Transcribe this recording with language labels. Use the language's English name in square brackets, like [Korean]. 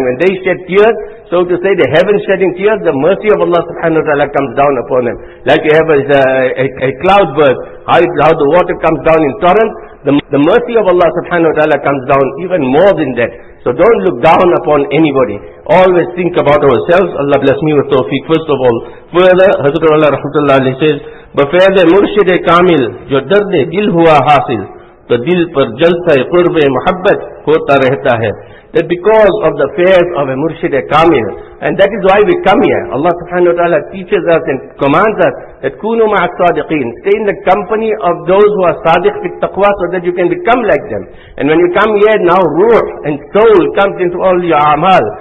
[English] When they shed tears, so to say, the heavens shedding tears, the mercy of Allah subhanahu wa ta'ala comes down upon them. Like you have a cloud burst, how the water comes down in torrents, the mercy of Allah subhanahu wa ta'ala comes down even more than that. So don't look down upon anybody. Always think about ourselves. Allah bless me with tawfiq, first of all. Further, Hazrat Allah rahmatullah alayhi says, [Urdu] بَفَيْدِ مُرْشِدِ کامل جو دردِ دل ہوا حاصل تو دل پر جلسہِ قربِ محبت ہوتا رہتا ہے. [English] That because of the faith of a Murshid-e Kamil, and that is why we come here. Allah subhanahu wa ta'ala teaches us and commands us that kunu ma'a sadiqeen, stay in the company of those who are sadiq with taqwa, so that you can become like them. And when you come here, now ruh and soul comes into all your amal.